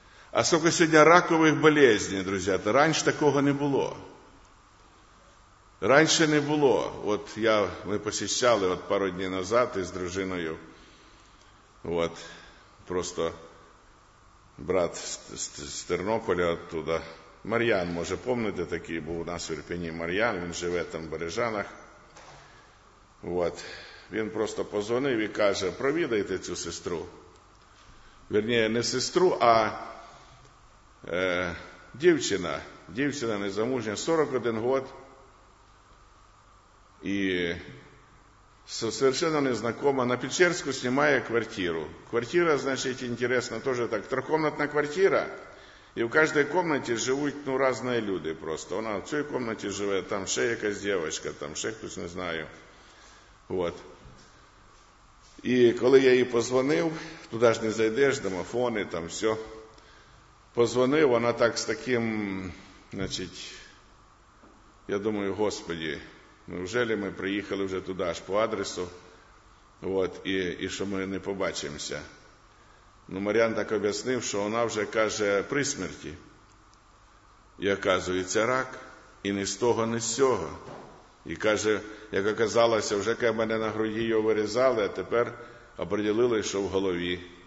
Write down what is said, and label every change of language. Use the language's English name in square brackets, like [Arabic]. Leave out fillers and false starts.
[Russian] А сколько сегодня раковых болезней, друзья? Это раньше такого не было. Раньше не было. Вот я, мы посещали вот пару дней назад с дружиною. Вот, просто брат с Тернополя оттуда. [Ukrainian] Мар'ян, може, помните, такий був у нас в Ірпіні Мар'ян, він живе там в Бережанах. Вот. Він просто позвонив і каже, провідайте цю сестру. Вірніше, не сестру, а дівчина. Дівчина незамужня, 41 год. І совершенно незнакома. На Печерську знімає квартиру. Квартира, значить, інтересна, теж так, трьохкомнатна квартира. [Russian] И в каждой комнате живут, ну, разные люди просто. Она в этой комнате живет, там еще какая-то девочка, там еще кто-то, не знаю. Вот. И когда я ей позвонил, туда же не зайдешь, домофоны, там все. Позвонил, она так с таким, значит, я думаю, Господи, неужели мы приехали уже туда, аж по адресу, вот, и что мы не побачимся. [Ukrainian] Ну, Мар'ян так об'яснив, що вона вже каже при смерті. І, оказується, рак. І не з того, не з сього. І каже, як оказалося, вже як мене на груді його вирізали, а тепер оприділили, що в голові.